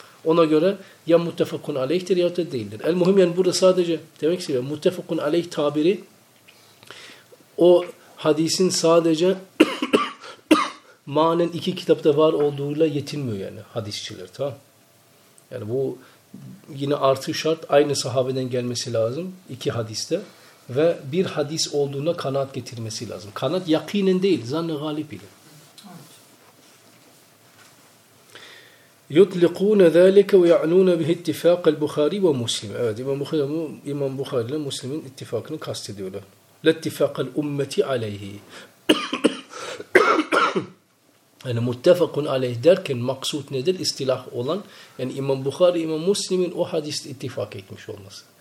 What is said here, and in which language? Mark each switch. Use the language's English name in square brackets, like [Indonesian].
[Turkish] Ona göre ya muttefakun aleyhtir ya da değildir. El muhim yani burada sadece demek ki muttefakun aleyh tabiri o hadisin sadece manen iki kitapta var olduğuyla yetinmiyor yani hadisçiler, tamam. Yani bu yine artı şart aynı sahabeden gelmesi lazım iki hadiste ve bir hadis olduğuna kanaat getirmesi lazım. Kanaat yakinen değil, zann-ı galip ile. [Arabic] يطلقون ذلك ويعنون به اتفاق البخاري ومسلم. [Turkish] Evet, İmam Bukhari ile Müslim'in ittifakını kastediyorlar. [Arabic] لاتفاق الأمة عليه. [Turkish] Yani muttefakun aleyh derken maksut nedir? İstilah olan yani İmam Bukhari, İmam Müslim'in o hadiste ittifak etmiş olması.